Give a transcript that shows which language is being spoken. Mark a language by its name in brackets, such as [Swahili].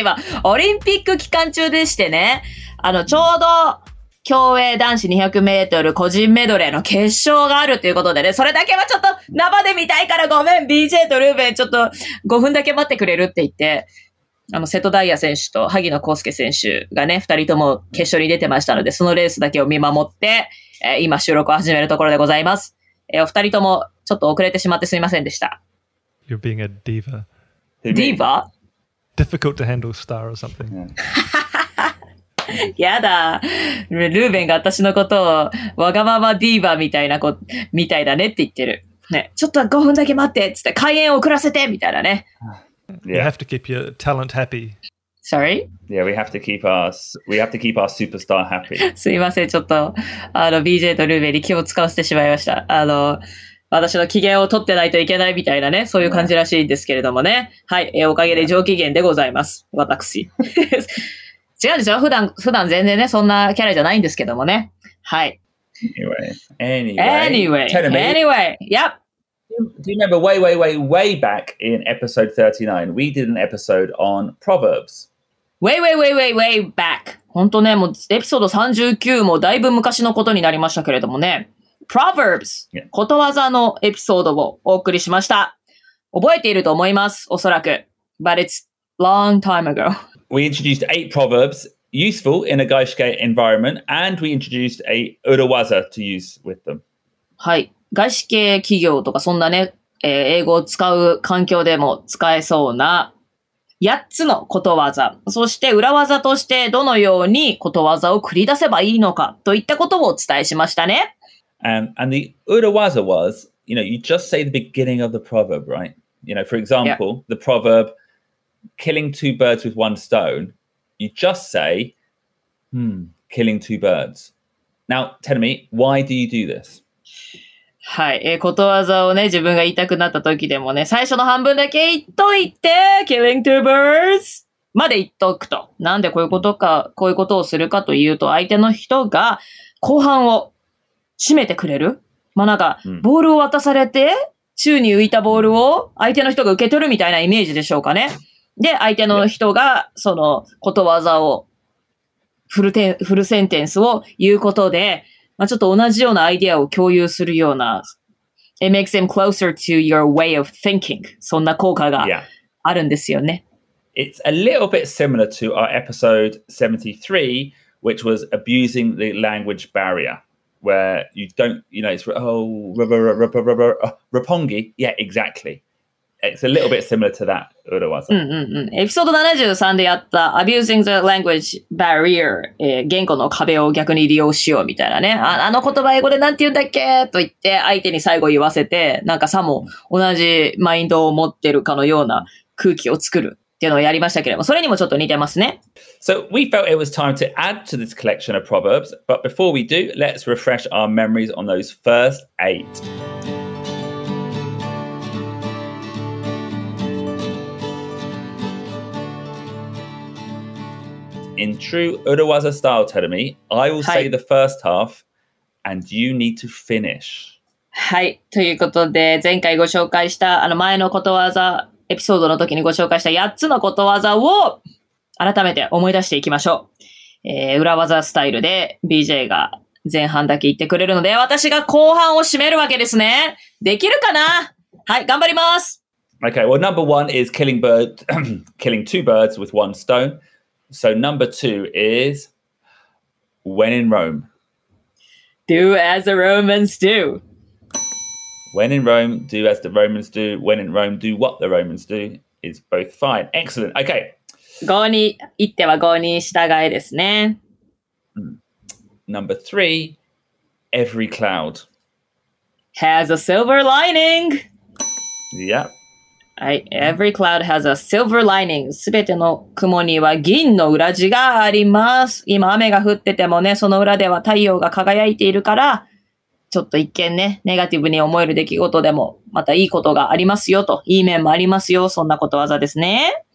[Japanese] 今、オリンピック期間中でしてね。ちょうど、競泳男子200メートル個人メドレーの決勝があるということでね、それだけはちょっと生で見たいからごめん、BJ とルーベン、ちょっと5分だけ待ってくれるって言って、瀬戸大也選手と萩野公介選手がね、2人とも決勝に出てましたので、そのレースだけを見守って、今収録を始めるところでございます。お二人ともちょっと遅れてしまってすみませんでした。 [English] You're being a diva. Diva? Difficult to handle star or something. [Japanese] やだ、ルーベンが私のことをわがままディーバーみたいな子みたいだねって言ってる、ね、ちょっと5分だけ待ってっつって開演遅らせてみたいなね。 [English] You have to keep your talent happy. Sorry? Yeah, we have to keep our superstar happy. [Japanese] すいません、ちょっと BJ とルーベンに気を使わせてしまいました。私の機嫌を取ってないといけないみたいなね、そういう感じらしいんですけれどもね、はい、おかげで上機嫌でございます、私。違うでしょ、普段全然ね、そんなキャラじゃないんですけどもね。はい。 [English] Anyway. Yep. Do you remember way, way, way, way back in episode 39? We did an episode on proverbs. Way, way, way, way, way back. [Japanese] 本当ね、もうエピソード39もだいぶ昔のことになりましたけれどもね。 [English] Proverbs、yeah. [Japanese] ことわざのエピソードをお送りしました。覚えていると思います、おそらく。 [English] But it's long time ago. We introduced 8 proverbs useful in a gaishike environment, and we introduced a urawaza to use with them. [Japanese] はい、外資系企業とかそんなね、英語を使う環境でも使えそうな8つのことわざ、そして裏技としてどのようにことわざを繰り出せばいいのかといったことをお伝えしましたね。 [English] And the urawaza was, you know, you just say the beginning of the proverb, right? You know, for example,、yeah. the proverbKilling two birds with one stone, you just say, killing two birds. Now, tell me, why do you do this? [Japanese] はい、ことわざをね、自分が言いたくなった時でもね、最初の半分だけ言っといて、 [English] killing two birds [Japanese] まで言っとくと。なんでこういうことか、こういうことをするかというと、相手の人が後半を締めてくれる。まあなんか、ボールを渡されて、宙に浮いたボールを相手の人が受け取るみたいなイメージでしょうかね。で、相手の人がそのことわざをフルセンテンスを言うことで、まあ、ちょっと同じようなアイデアを共有するような、 [English] It makes them closer to your way of thinking. [Japanese] そんな効果があるんですよね。 [English] Yeah. It's a little bit similar to our episode 73, which was abusing the language barrier, where you don't, you know, it's, oh, Roppongi. Yeah, exactly. It's a little bit similar to that, urawaza. エピソード73でやった Abusing the language barrier、言語の壁を逆に利用しようみたいなね、あの言葉英語でなんて言うんだっけと言って相手に最後言わせて、なんかさも同じマインドを持ってるかのような空気を作るっていうのをやりましたけれども、それにもちょっと似てますね。 So we felt it was time to add to this collection of proverbs, but before we do, let's refresh our memories on those first eight. In true urawaza style, Terumi, I will say the first half, and you need to finish. [Japanese] はい、ということで、前回ご紹介した、前のことわざエピソードの時にご紹介した8つのことわざを改めて思い出していきましょう。 urawaza スタイルで BJ が前半だけ言ってくれるので、私が後半を締めるわけですね。できるかな？はい、頑張ります。 [English] Okay, well, number one is killing two birds with one stone. So number two is when in Rome. Do as the Romans do. When in Rome, do as the Romans do. When in Rome, do what the Romans do is both fine. Excellent. Okay. [Japanese] 五に言っては五に従えですね。 [English] Number three, every cloud has a silver lining. Yeah. Every cloud has a silver lining. [Japanese] すべての雲には銀の裏地があります。今雨が降っててもね、その裏では太陽が輝いているから、ちょっと一見ね、ネガティブに思える出来事でも、またいいことがありますよと、いい面もありますよ、そんなことわざですね。